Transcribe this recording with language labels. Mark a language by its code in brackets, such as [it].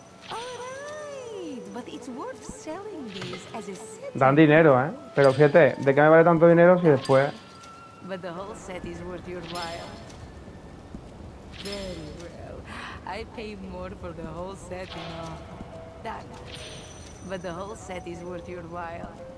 [en] Alright, but it's worth selling these as a set. [es] Dan dinero, ¿eh? Pero fíjate, ¿de qué me vale tanto dinero si después? [en] But the whole set is worth your while. Very well. I pay more for the whole set, you know. Done. But the whole set is worth your while.